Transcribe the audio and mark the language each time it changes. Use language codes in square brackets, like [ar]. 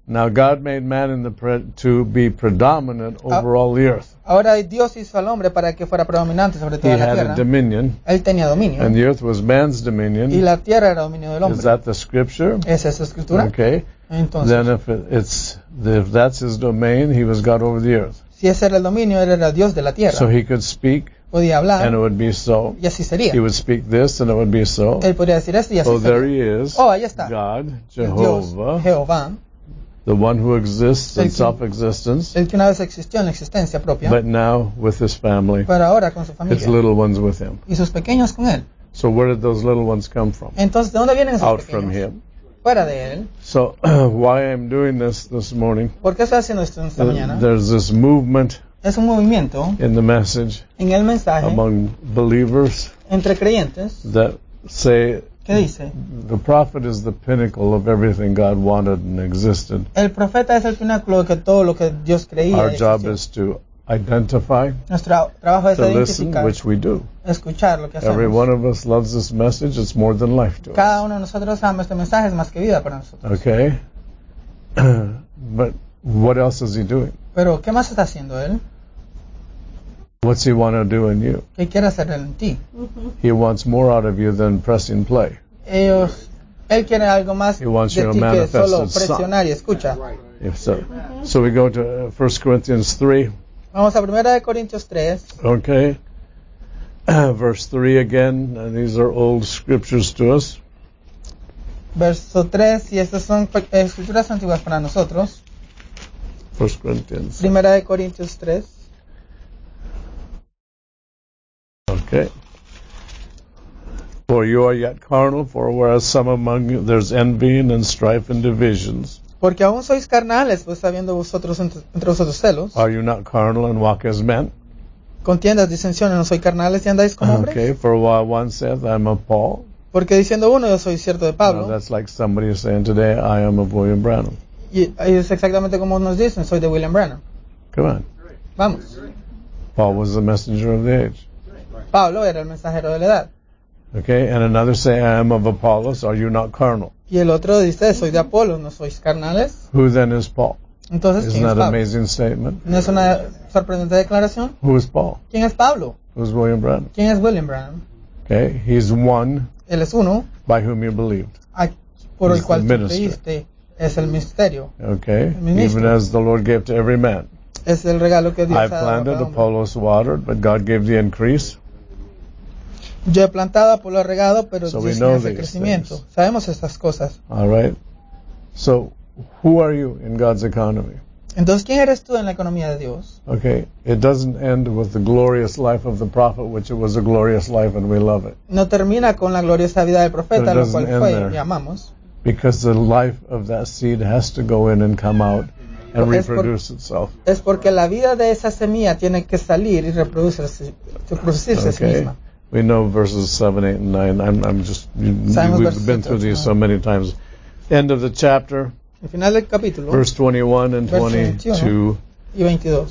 [en] Now God made man in the to be predominant over all the earth. [es] Ahora Dios hizo al hombre para que fuera predominante sobre toda [en] he [es] la tierra. [en] He had a dominion. [es] Él tenía dominio. [en] And the earth was man's dominion. [es] Y la tierra era dominio del hombre. [en] Is that the scripture? [es] ¿Es esa escritura? [en] Okay. [es] Entonces. [en] Then if it's if that's his domain, he was God over the earth. [es] Si ese era el dominio, él era Dios de la tierra. [en] So he could speak, [es] podía hablar, [en] and it would be so. [es] Y así sería. [en] He would speak this, and it would be so. [es] Él podía decir esto, y así [en] so [es] sería. [en] There he is, [es] oh, ahí está. [en] God, Jehovah, [es] Dios, Jehová, [en] the one who exists in self-existence, [es] el que una vez existió en existencia propia, [en] but now with his family, [es] pero ahora con su familia, [en] his little ones with him. [es] Y sus pequeños con él. [en] So where did those little ones come from? [es] Entonces, ¿de dónde vienen esos [en] Out [es] pequeños? [en] From him. [es] Fuera de él. [en] So, why I'm doing this morning, [es] ¿por qué estoy haciendo esto esta mañana? [en] There's this movement, [es] es un movimiento [en] in the message, [es] en el mensaje, [en] among believers, [es] entre creyentes, [en] that say, [es] ¿qué dice? [en] The prophet is the pinnacle of everything God wanted and existed. [es] El profeta es el pináculo de todo lo que Dios creía. [en] Our job is to identify, [es] nuestro trabajo es [en] to listen, which we do. [es] Escuchar lo que hacemos. [en] Every one of us loves this message. It's more than life to [es] cada [en] us. [es] Uno de nosotros ama este mensaje, es más que vida para nosotros. [en] Okay. But what else is he doing? [es] Pero, ¿qué más está haciendo él? [en] What's he want to do in you? [es] ¿Qué quiere hacer él en ti? [en] He wants more out of you than pressing play. [es] Ellos, él quiere algo más [en] he wants [es] de [en] you [es] ti [en] to manifest [es] que solo presionar y escucha. [en] If so. Mm-hmm. So we go to 1 Corinthians 3. [es] Vamos a Primera de Corintios 3. [en] Okay. Verse 3 again. And these are old scriptures to us. [es] Verso 3. Y estas son escrituras antiguas para nosotros. [en] 1 Corinthians. [es] Primera de Corintios 3. [en] Okay. For you are yet carnal, for whereas some among you there's envying and strife and divisions. [es] Porque aún sois carnales, pues habiendo vosotros entre vosotros celos. [en] Are you not carnal and walk as men? [es] Contiendas, disensiones, no soy carnales y andáis como hombres. [en] Okay, for while one saith, I am of Paul. [es] Porque diciendo uno, yo soy cierto de Pablo. [en] No, that's like somebody saying today, I am of William Branham. [es] Y es exactamente como nos dicen, soy de William Branham. [en] Come on. [es] Vamos. [en] Paul was the messenger of the age. [es] Pablo era el mensajero de la edad. [en] Okay, and another say, I am of Apollos, are you not carnal? [es] Y el otro dice, soy de Apolo, ¿no sois carnales? [en] Who then is Paul? [es] Entonces, [en] isn't that an amazing statement? [es] ¿No es una sorprendente declaración? [en] Who is Paul? [es] ¿Quién es Pablo? [en] Who is William Branham? [es] ¿Quién es William Branham? [en] Okay, he's one. [es] Él es uno. [en] By whom you believed. [es] Por el cual tú creíste. Es el misterio. [en] Okay, [es] el [en] even as the Lord gave to every man. [es] Es el regalo que Dios [en] I planted, Apollos watered, but God gave the increase. [es] Yo he plantado, Apolo ha regado, pero Dios tiene ese crecimiento. [en] Things. [es] Sabemos estas cosas. [en] All right. So, who are you in God's economy? [es] Entonces, ¿quién eres tú en la economía de Dios? [en] Okay. It doesn't end with the glorious life of the prophet, which it was a glorious life and we love it. [es] No termina con la gloriosa vida del profeta, lo cual fue [en] there. [es] Y amamos. [en] Because the life of that seed has to go in and come out and reproduce itself. [es] Es porque la vida de esa semilla tiene que salir y reproducirse [en] okay. [es] Sí misma. [en] We know verses 7, 8, and 9. We've been through these so many times. End of the chapter. [es] El final del capítulo, [en] verse 21 and 22. [es] Y 22.